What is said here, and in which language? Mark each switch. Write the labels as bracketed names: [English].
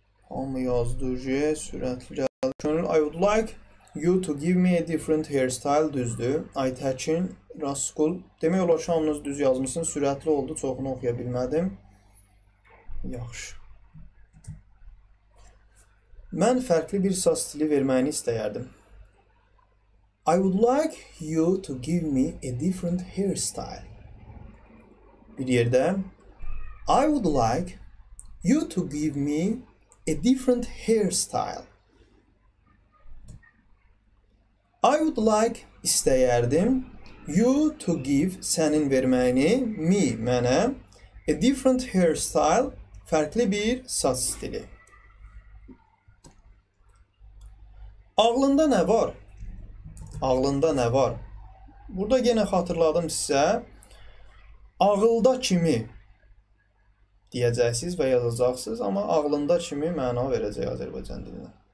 [Azerbaijani] Amma yazdığı sürətli gəlir. [English] I would like you to give me a different hairstyle [Azerbaijani] düzdür. Aytəkin, Raskul. Demək olar ki, hamınız düz yazmışsınız. Sürətli oldu, çoxunu oxuya bilmədim. Yaxşı. Mən fərqli bir saç stili verməyini istəyərdim. [English] I would like you to give me a different hairstyle. [Azerbaijani] Bir yerdə. [English] I would like you to give me a different hairstyle. I would like, [Azerbaijani] istəyərdim, [English] you to give, [Azerbaijani] sənin verməyini, [English] me, mənə, a different hairstyle, [Azerbaijani] fərqli bir saç stili. Ağlında nə var? Ağlında nə var? Burada yenə xatırladım sizə, ağılda kimi deyəcəksiniz və yazacaqsınız, amma ağlında kimi məna verəcək Azərbaycan dilində.